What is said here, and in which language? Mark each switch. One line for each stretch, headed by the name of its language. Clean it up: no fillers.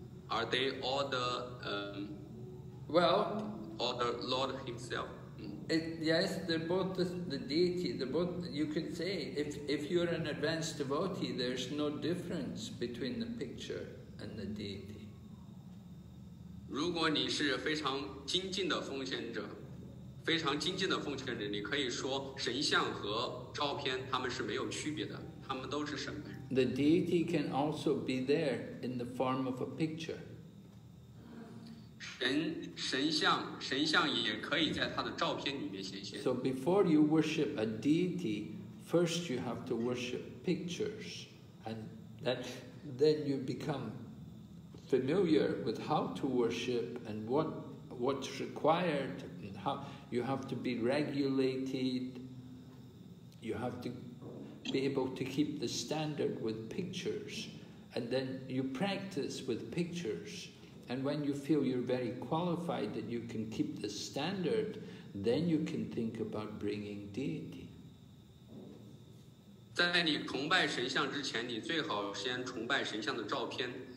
English: Are they all the or the Lord himself? Yes, they're both the deity. They're both, you could say, if you're an advanced devotee, there's no difference between the picture and the deity.
Chinese: 如果你是非常精进的奉献者，非常精进的奉献者，你可以说神像和照片他们是没有区别的，他们都是神本人。
English: The deity can also be there in the form of a picture.
Chinese: 神像也可以在他的照片里面显现。
English: So before you worship a deity, first you have to worship pictures, and then you become familiar with how to worship and what's required, and how you have to be regulated. You have to be able to keep the standard with pictures, and then you practice with pictures. And when you feel you're very qualified that you can keep the standard, then you can think about bringing deity.
Chinese: 在你崇拜神像之前，你最好先崇拜神像的照片。